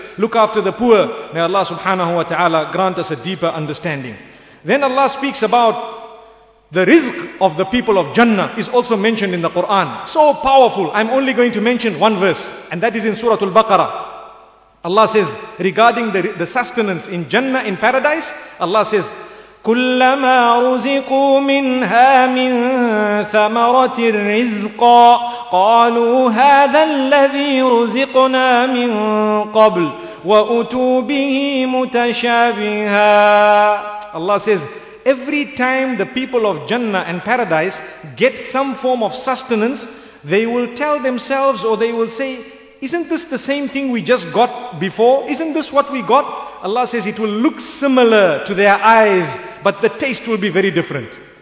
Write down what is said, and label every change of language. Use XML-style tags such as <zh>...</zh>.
<en>Look after the poor. May Allah subhanahu wa ta'ala grant us a deeper understanding. Then Allah speaks about the rizq of the people of Jannah is also mentioned in the Quran. So powerful. I'm only going to mention one verse. And that is in Surah Al-Baqarah. Allah says, regarding the sustenance in Jannah, in paradise, Allah says,</en> <ar>كلما رزقوا منها من ثمرة رزقا قالوا هذا الذي رزقنا من قبل وأتوا به متشابها.</ar> <en>Allah says, every time the people of Jannah and Paradise get some form of sustenance, they will tell themselves or they will say, isn't this the same thing we just got before? Isn't this what we got? Allah says it will look similar to their eyes, but the taste will be very different.</en>